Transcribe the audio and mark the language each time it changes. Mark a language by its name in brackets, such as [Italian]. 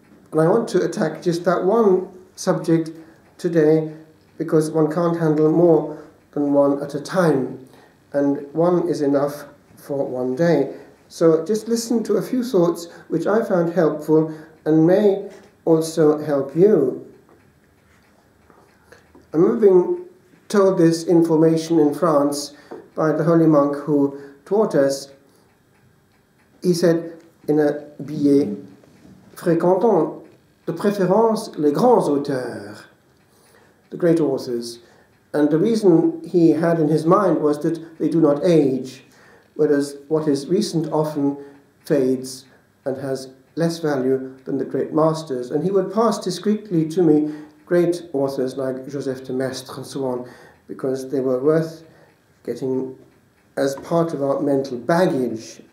[English] And I want to attack just that one subject today, because one can't handle more than one at a time, and one is enough for one day. So just listen to a few thoughts which I found helpful and may also help you. I'm being told this information in France by the holy monk who taught us. He said in a billet, [French] fréquentons de préférence les grands auteurs, [English] the great authors. And the reason he had in his mind was that they do not age, whereas what is recent often fades and has less value than the great masters. And he would pass discreetly to me great authors like Joseph de Maistre and so on, because they were worth getting as part of our mental baggage.